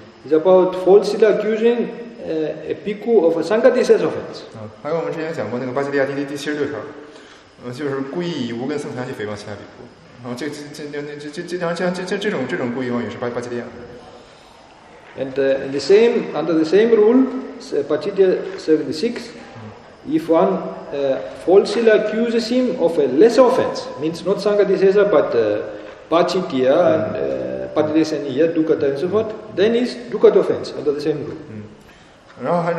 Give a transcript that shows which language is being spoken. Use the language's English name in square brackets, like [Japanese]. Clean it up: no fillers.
[English] It's about falsely accusing a bhikkhu of a sangha disesa offense. [Chinese] 还有我们之前讲过那个巴吉利亚第76条。就是故意以无根僧团去诽谤其他比丘，然后这种故意妄语是巴吉利亚。 [English] And in the same under the same rule, Paccitya 76, if one falsely accuses him of a lesser offense, means not Sangha Disesa but Paccitya and Patidesaniya, Dukkata and so forth, then is Dukkata offense under the same rule.